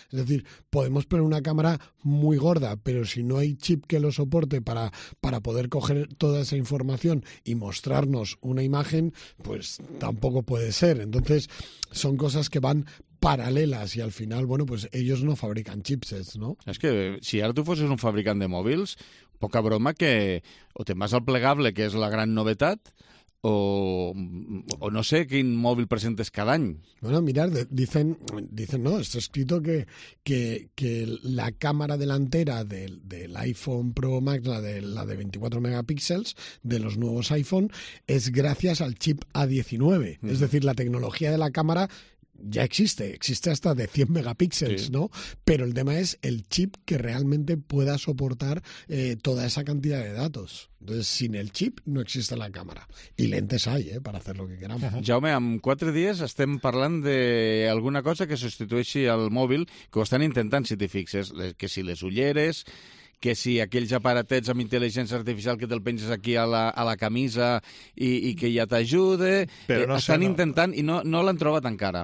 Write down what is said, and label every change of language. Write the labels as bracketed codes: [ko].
[es] Es decir, podemos poner una cámara muy gorda, pero si no hay chip que lo soporte para poder coger toda esa información y mostrarnos una imagen, pues tampoco puede ser. Entonces, son cosas que van paralelas y al final, bueno, pues ellos no fabrican chipsets, ¿no? [ca] Es que si ara tu fossis un fabricant de mòbils, poca broma que o te'n vas al plegable, que és la gran novetat, o no sé quin mòbil presentes cada any. [es] Bueno, mirar, dicen, no, está escrito que la càmera delantera del iPhone Pro Max, la de 24 megapíxels de los nuevos iPhone, es gracias al chip A19. Mm. Es decir, la tecnología de la cámara ya existe hasta de 100 megapíxeles, sí, ¿no? Pero el tema es el chip que realmente pueda soportar toda esa cantidad de datos. Entonces, sin el chip no existe la cámara. Y lentes hay, para hacer lo que queramos. [ca] Jaume, en 4 dies estem parlant de alguna cosa que substitueixi el mòbil, que ho estan intentant, si t'hi fixes, que si les ulleres, que si aquells aparatets amb intel·ligència artificial que te'l penges aquí a la camisa i que ja t'ajude, intentant i no l'han trobat encara.